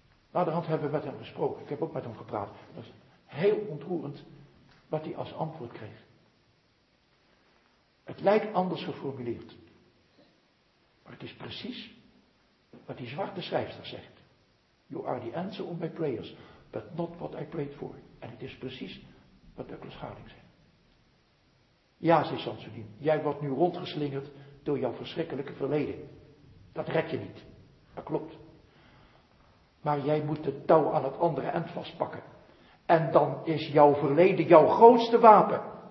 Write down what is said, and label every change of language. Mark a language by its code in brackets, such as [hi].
[nl] Naderhand hebben we met hem gesproken. Ik heb ook met hem gepraat. Dat is heel ontroerend wat hij als antwoord kreeg. Het lijkt anders geformuleerd. Maar het is precies wat die zwarte schrijfster zegt. [en] You are the answer of my prayers, but not what I prayed for. [nl] En het is precies wat Douglas Harding zegt. Ja, zei Sansoni, jij wordt nu rondgeslingerd door jouw verschrikkelijke verleden. Dat red je niet. Dat klopt. Maar jij moet de touw aan het andere eind vastpakken. En dan is jouw verleden jouw grootste wapen.